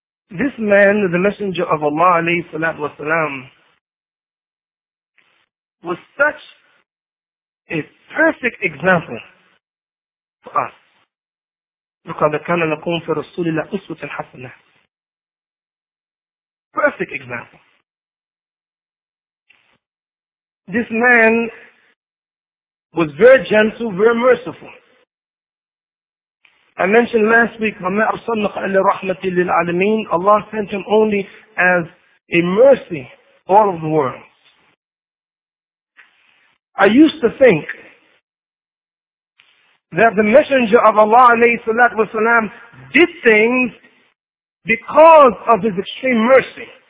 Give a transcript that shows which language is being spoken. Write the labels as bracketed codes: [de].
[en] This man, the messenger of Allah alayhi salatu wa sallam, was such a perfect example for us. [ar] لقد كان لكم في رسول الله أسوة حسنة. [en] Perfect example. This man was very gentle, very merciful. I mentioned last week, [ar] وَمَا أَرْسَلْنَكَ إِلَّا رَحْمَةً لِلْعَالَمِينَ. [en] Allah sent him only as a mercy for all of the world. I used to think that the Messenger of Allah alayhi salatu wa salam did things because of his extreme mercy.